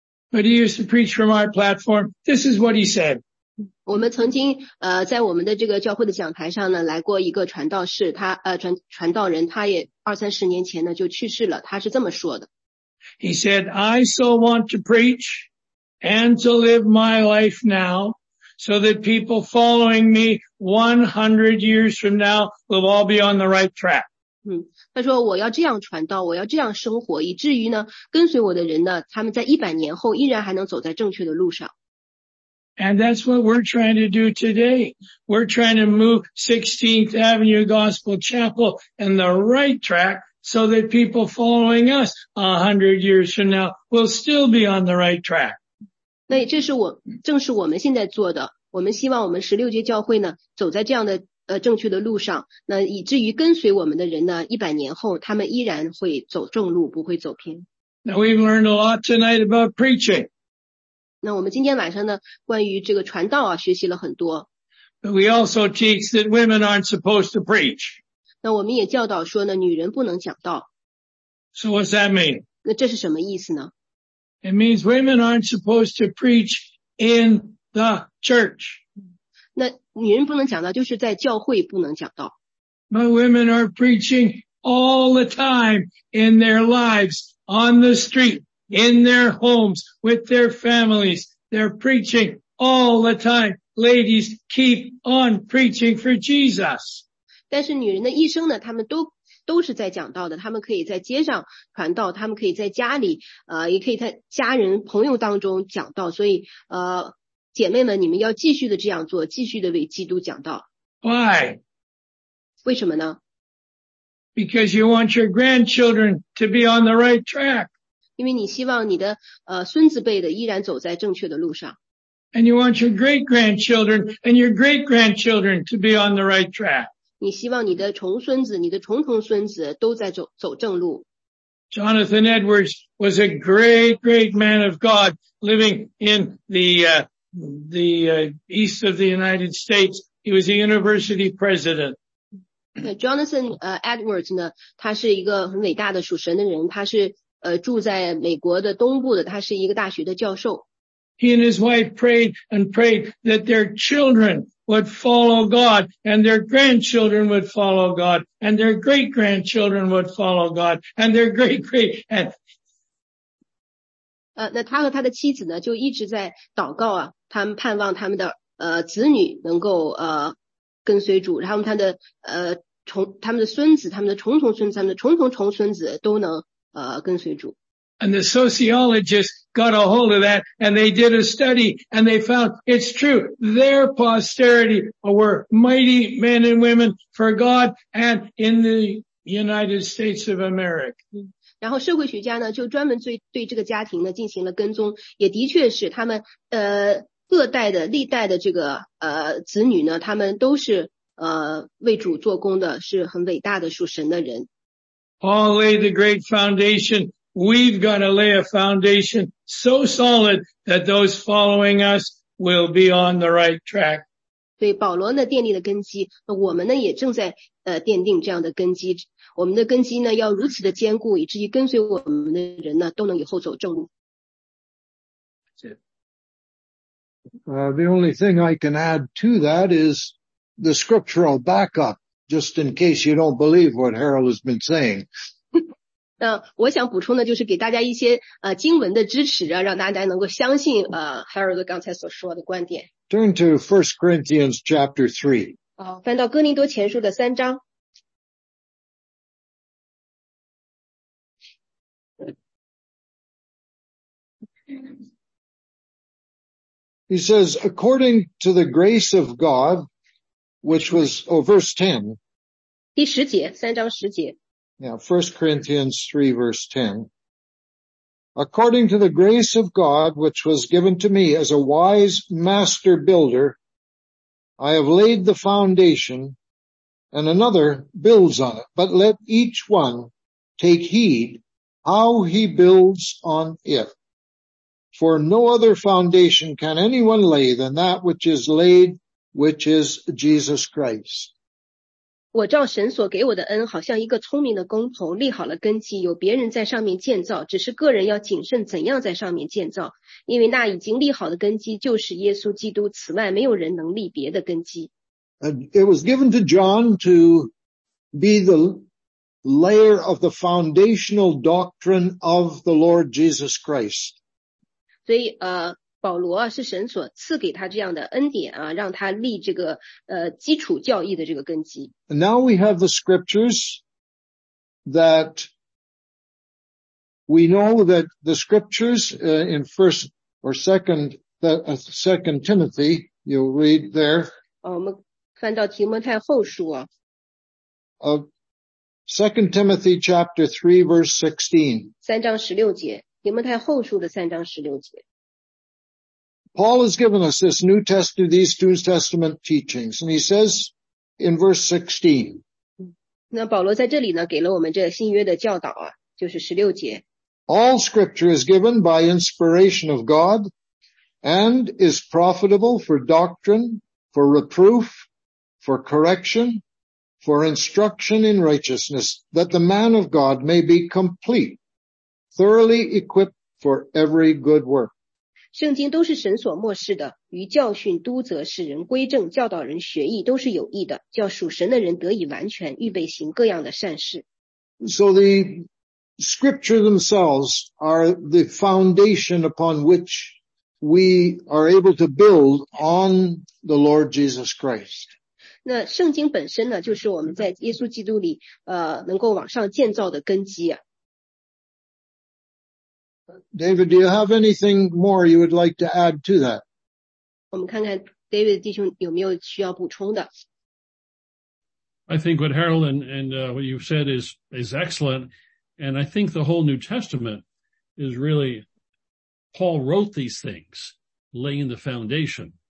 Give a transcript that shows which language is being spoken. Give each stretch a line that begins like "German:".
English: But he used to preach from our platform. This is what he said.
Chinese: 我们曾经在我们的这个教会的讲台上呢来过一个传道士，他传道人，他也二三十年前呢就去世了，他是这么说的。
English: He said, I so want to preach and to live my life now so that people following me 100 years from now will all be on the right track.
Chinese: 他说我要这样传道，我要这样生活，以至于呢跟随我的人呢他们在100年后依然还能走在正确的路上。
English: And that's what we're trying to do today. We're trying to move 16th Avenue Gospel Chapel in the right track so that people following us 100 years from now will still be on the right track.
Chinese: 那这是正是我们现在做的，我们希望我们16街教会呢走在这样的正确的路上，那以至于跟随我们的人呢100年后他们依然会走正路，不会走偏。
English: Now we've learned a lot tonight about preaching.
Chinese: 那我们今天晚上呢关于这个传道啊学习了很多。
English: But we also teach that women aren't supposed to preach.
Chinese: 那我们也教导说呢女人不能讲道。
English: So what's that mean?
Chinese: 那这是什么意思呢？
English: It means women aren't supposed to preach in the church.
Chinese: 那女人不能讲道，就是在教会不能讲道。
English: But women are preaching all the time in their lives, on the street, in their homes, with their families. They're preaching all the time. Ladies, keep on preaching for Jesus.
Chinese: 但是女人的一生呢，她们都是在讲道的，她们可以在街上传道，她们可以在家里，也可以在家人、朋友当中讲道，所以姐妹们，你们要继续的这样做，继续的为基督讲道。
English: Why?
Chinese: 为什么呢？
English: Because you want your grandchildren to be on the right track.
Chinese: 因为你希望你的孙子辈的依然走在正确的路上。
English: And you want your great grandchildren and your great grandchildren to be on the right track.
Chinese: 你希望你的重孙子、你的重重孙子都在走正路。
English: Jonathan Edwards was a great, great man of God living in the east of the United States. He was a university president.
Chinese: Jonathan Edwards 呢，他是一个很伟大的属神的人，他是住在美国的东部的，他是一个大学的教授。
English: He and his wife prayed and prayed that their children would follow God and their grandchildren would follow God and their great grandchildren would follow God and their great great and
Chinese: 那他和他的妻子呢，就一直在祷告啊。他们盼望他们的子女能够跟随主，然后他们的孙子、他们的重重孙子、他们的重重重孙子都能跟随主。
English: And the sociologists got a hold of that, and they did a study, and they found it's true. Their posterity were mighty men and women for God and in the United States of America.
Chinese: 然后社会学家呢就专门对这个家庭呢进行了跟踪，也的确是他们各代的历代的这个子女呢，他们都是为主做工的，是很伟大的属神的人。
English: Paul laid the great foundation. We've got to lay a foundation so solid that those following us will be on the right track.
Chinese: 对保罗呢奠定的根基，我们呢也正在奠定这样的根基。我们的根基呢要如此的坚固，以至于跟随我们的人呢都能以后走正路。
English: The only thing I can add to that is the scriptural backup, just in case you don't believe what Harold has been saying.
Chinese: 我想补充的就是给大家一些经文的支持啊，让大家能够相信Harold 刚才所说的观点。
English: Turn to 1 Corinthians chapter 3.
Chinese: 翻到哥林多前书的三章。
English: He says, according to the grace of God, which was, verse 10.
Chinese: 第十节，三章十节。
English: Yeah, 1 Corinthians 3 verse 10. According to the grace of God, which was given to me as a wise master builder, I have laid the foundation and another builds on it. But let each one take heed how he builds on it. For no other foundation can anyone lay than that which is laid, which is Jesus Christ.
Chinese: 我照神所给我的恩，好像一个聪明的工头，立好了根基，有别人在上面建造，只是个人要谨慎怎样在上面建造，因为那已经立好的根基就是耶稣基督，此外没有人能立别的根基。
English: It was given to John to be the layer of the foundational doctrine of the Lord Jesus Christ.
Chinese: 所以保罗是神所赐给他这样的恩典啊，让他立这个基础教义的这个根基。
English: Now we have the scriptures that we know that the scriptures in first or second, second Timothy, you'll read there.
Chinese: 我们翻到提摩太后书啊。
English: Second Timothy chapter 3 verse 16.
Chinese: 三章十六节。提摩太后书的三章十六节。
English: Paul has given us this New Testament, these two Testament teachings, and he says in verse 16.
Chinese: 那保罗在这里呢，给了我们这新约的教导啊，就是十六节。
English: All scripture is given by inspiration of God and is profitable for doctrine, for reproof, for correction, for instruction in righteousness, that the man of God may be complete. Thoroughly equipped for every good work.
Chinese: 圣经都是神所默示的，于教训、督责、使人归正、教导人学义，都是有益的，叫属神的人得以完全，预备行各样的善事。
English: So the scripture themselves are the foundation upon which we are able to build on the Lord Jesus Christ.
Chinese: 那圣经本身呢，就是我们在耶稣基督里，能够往上建造的根基啊。
English: David, do you have anything more you would like to add to that?
Chinese: 我们看看 David 弟兄有没有需要补充的。
English: I think what Harold and what you've said is excellent. And I think the whole New Testament is really, Paul wrote these things, laying the foundation.